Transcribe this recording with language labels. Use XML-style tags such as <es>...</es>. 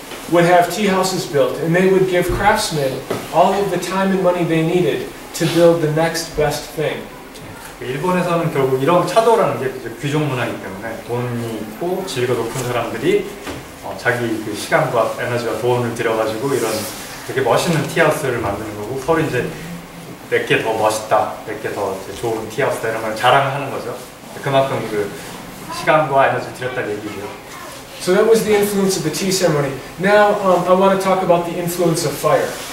<en>would have tea houses built, and they would give craftsmen all of the time and money they needed to build the next best thing.</en> <ko>일본에서는 결국 이런 차도라는 게 이제 귀족 문화이기 때문에 돈이 있고 지위가 높은 사람들이 자기 그 시간과 에너지와 돈을 들여가지고 이런 되게 멋있는 티하우스를 만드는 거고 서로 이제 내게 더 멋있다, 내게 더 이제 좋은 티하우스다 이런 걸 자랑하는 거죠. 그만큼 그 시간과 에너지를 들였다는 얘기죠.</ko> <en>So that was the influence of the tea ceremony. Now I want to talk about the influence of fire.</en>